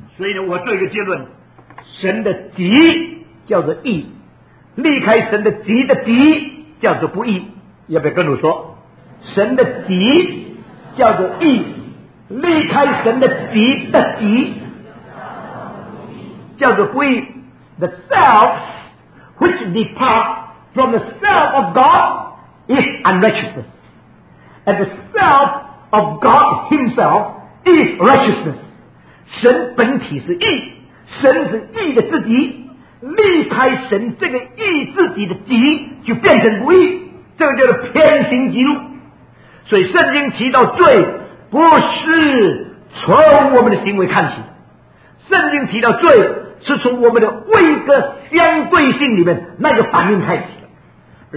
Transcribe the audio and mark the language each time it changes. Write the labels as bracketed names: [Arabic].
[Chinese] 所以呢，我做一个结论，神的己叫做义，离开神的己的己叫做不义。要不要跟我说，神的己叫做义，离开神的己的己叫做不义。 [English] The self which depart from the self of God is unrighteousness, and the self of God himself is righteousness。 [Chinese] 神本体是义，神是义的自己，离开神这个义自己的己就变成不义，这个叫做偏行己路。所以圣经提到罪不是从我们的行为看起，圣经提到罪是从我们的位格相对性里面那个反应开始的。